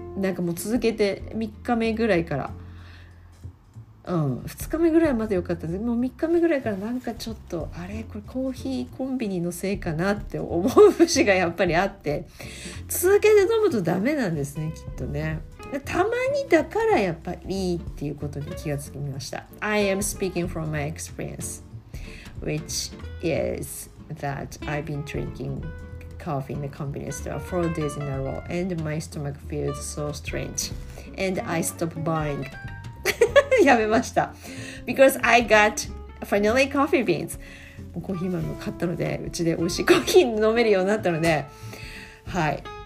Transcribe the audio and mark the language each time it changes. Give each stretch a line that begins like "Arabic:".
Japanese: なんかもう続けて3日目ぐらいから。うん、2日目ぐらいまで良かったです。もう3日目ぐらいからなんかちょっと、あれこれコーヒーコンビニのせいかなって思う節がやっぱりあって、続けて飲むとダメなんですね、きっとね。たまにだからやっぱりいいっていうことに気がつきました。
English: I am speaking from my experience, which is that I've been drinking coffee in the convenience store for days in a row, and my stomach feels so strange, and I stopped buying.
Japanese: やめました。
English: Because I got finally coffee beans.
Japanese: コーヒー豆を買ったので、うちで美味しいコーヒー飲めるようになったので、はい。